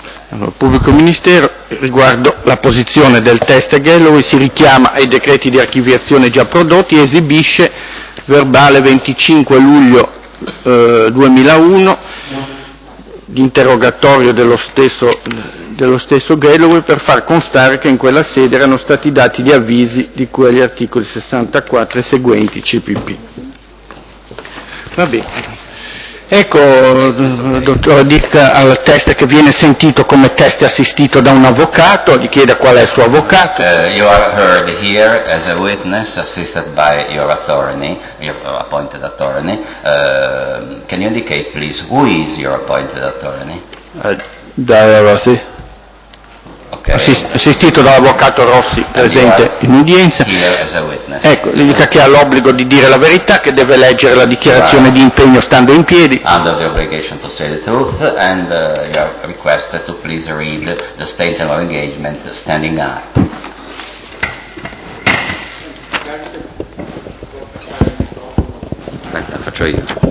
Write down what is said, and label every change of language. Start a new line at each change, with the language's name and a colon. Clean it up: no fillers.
Italian: Allora, pubblico ministero, riguardo la posizione del test Galloway, si richiama ai decreti di archiviazione già prodotti e esibisce verbale 25 luglio 2001 di interrogatorio dello stesso Galloway per far constare che in quella sede erano stati dati gli avvisi di quegli articoli 64 e seguenti CPP. Va bene. Ecco, dottore Dick, al test che viene sentito come test assistito da un avvocato, gli chieda qual è il suo avvocato.
English: You are heard here as a witness assisted by your attorney, your appointed attorney. Can you indicate, please, who is your appointed attorney? Dario Rossi.
Italian: Okay. Assistito dall'avvocato Rossi, presente in udienza. Ecco, gli dica che ha l'obbligo di dire la verità, che deve leggere la dichiarazione di impegno stando in piedi.
English: Under the obligation to say the truth, and you are requested to please read the statement of engagement standing up.
Italian: Aspetta, faccio io.